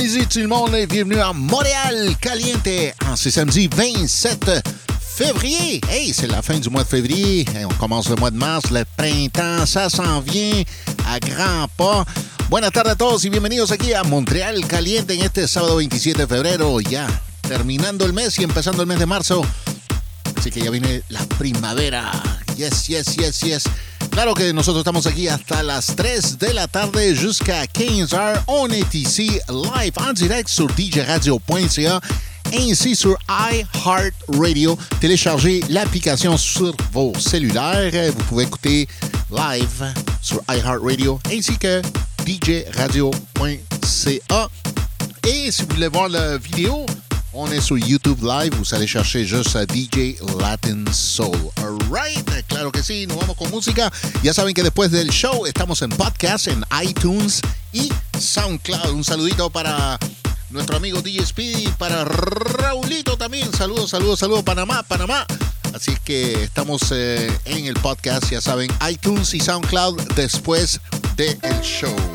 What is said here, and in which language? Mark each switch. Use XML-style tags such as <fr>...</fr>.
<fr>Tout le monde est bienvenu à Montréal Caliente en ce samedi 27 février. Hey, c'est la fin du mois de février. Hey, on commence le mois de mars, le printemps, ça s'en vient à grands pas.</fr> <es>Buenas tardes a todos y bienvenidos aquí a Montréal Caliente en este sábado 27 de febrero. Ya terminando el mes y empezando el mes de marzo. Así que ya viene la primavera.</es> <en>Yes, yes, yes, yes.</en> <es>Claro que nosotros estamos aquí hasta las 3 de la tarde, jusqu'à 15h, on est ici live, en direct sur djradio.ca, ainsi sur iHeartRadio.</es> <fr>Téléchargez l'application sur vos cellulaires, vous pouvez écouter live sur iHeartRadio, ainsi que djradio.ca. Et si vous voulez voir la vidéo, on est sur YouTube Live, vous allez chercher juste DJ Latin Soul.</fr> <es>Alright, claro que sí, nous vamos con música. Ya saben que después del show estamos en podcast, en iTunes y SoundCloud. Un saludito para nuestro amigo DJ Speedy, para Raulito también. Saludos, saludos, saludos, Panamá, Panamá. Así que estamos en el podcast, ya saben, iTunes y SoundCloud después del show.</es>